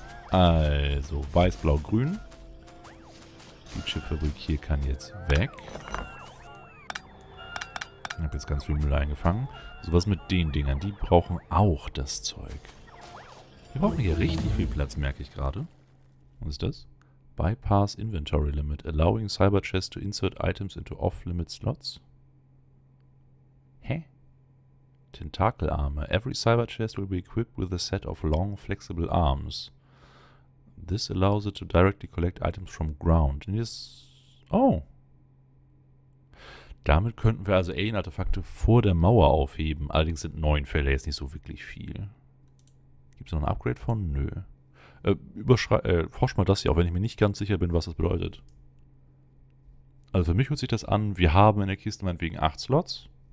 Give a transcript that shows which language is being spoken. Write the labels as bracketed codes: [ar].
[de] Also, weiß, blau, grün. Die Chipfabrik hier kann jetzt weg. Ich habe jetzt ganz viel Müll eingefangen. So, was mit den Dingern? Die brauchen auch das Zeug. Wir brauchen hier richtig viel Platz, merke ich gerade. Was ist das? Bypass Inventory Limit. [en] Allowing Cyberchest to insert items into off-limit slots. [de] Hä? Tentakelarme. [en] Every Cyberchest will be equipped with a set of long, flexible arms. This allows it to directly collect items from ground. And yes. Oh. [de] Damit könnten wir also Alien-Artefakte vor der Mauer aufheben. Allerdings sind 9 Felder jetzt nicht so wirklich viel. Gibt es noch ein Upgrade von? Nö. Forsch mal das hier, auch wenn ich mir nicht ganz sicher bin, was das bedeutet. Also für mich hört sich das an, wir haben in der Kiste meinetwegen 8 Slots.